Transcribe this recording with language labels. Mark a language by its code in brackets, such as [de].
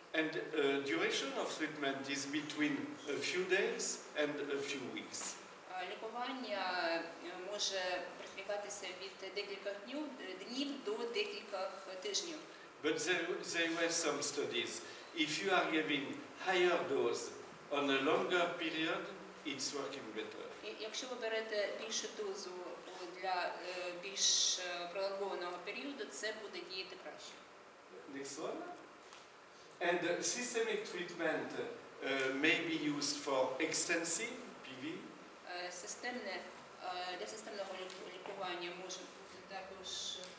[en] And duration of treatment is between a few days and a few weeks. [uk] Лікування може протягатися від декількох днів до декількох тижнів. [en] But there were some studies. If you are giving higher dose on a longer period, it's working better. [uk] Якщо ви берете більшу дозу для більш пролонгованого періоду, це буде діяти краще. [en] Next one. And systemic treatment may be used for extensive PV. [uk] Системне, для системного лікування може бути також